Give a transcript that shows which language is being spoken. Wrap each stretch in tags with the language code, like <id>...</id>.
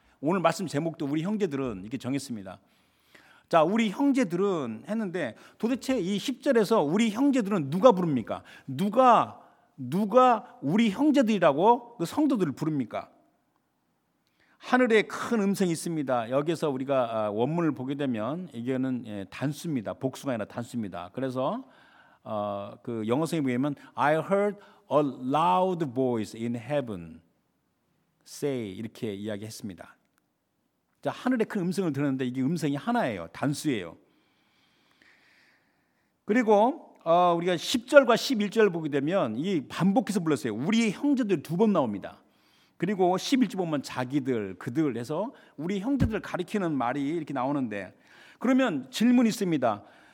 <ko>오늘 말씀 제목도 우리 형제들은 이렇게 정했습니다. 자, 우리 형제들은 했는데 도대체 이 10절에서 우리 형제들은 누가 부릅니까? 누가 우리 형제들이라고 그 성도들을 부릅니까? 하늘에 큰 음성이 있습니다. 여기서 우리가 원문을 보게 되면 이게는 단수입니다. 복수가 아니라 단수입니다. 그래서 그 영어성에 보면</ko> <en>I heard a loud voice in heaven say</en> <ko>이렇게 이야기했습니다. 자, 하늘에 큰 음성을 들었는데 이게 음성이 하나예요. 단수예요. 그리고 우리가 10절과 11절을 보게 되면 이 반복해서 불렀어요. 우리의 형제들 두 번 나옵니다. 그리고 11절 보면 자기들, 그들 해서 우리 형제들을 가리키는 말이 이렇게 나오는데 그러면 질문이 있습니다.</ko>